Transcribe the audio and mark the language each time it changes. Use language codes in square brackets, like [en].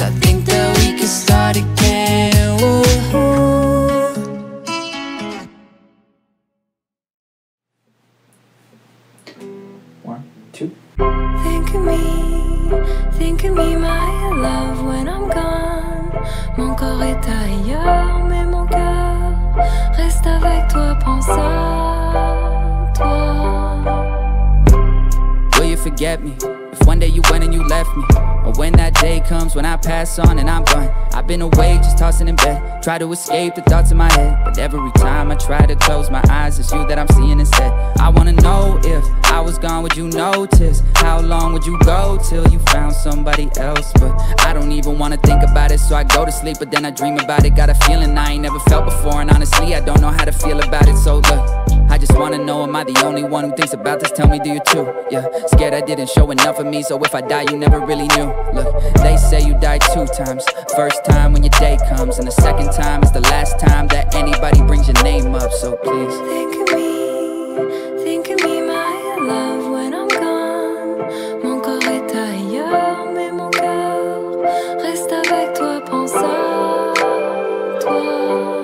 [en] I think that we could start again. Think of me, my love, when I'm gone. [fr] Mon corps est ailleurs, mais mon cœur reste avec toi, pense à toi. [en] Will you forget me? If one day you went and you left me. Or when that day comes, when I pass on and I'm gone. I've been away, just tossing in bed. Try to escape the thoughts in my head. But every time I try to close my eyes, it's you that I'm seeing instead. I wanna know if I was gone, would you notice? How long would you go till you found somebody else? But I don't even wanna think about it, so I go to sleep. But then I dream about it, got a feeling I ain't never felt before. And honestly, I don't know how to feel about it, so look. I just wanna know, am I the only one who thinks about this? Tell me, do you too? Yeah, scared I didn't show enough of me. So if I die, you never really knew. Look, they say you die two times. First time when your day comes. And the second time is the last time that anybody brings your name up. So please think of me, my love, when I'm gone. [fr] Mon corps est ailleurs, mais mon cœur reste avec toi, pense à toi.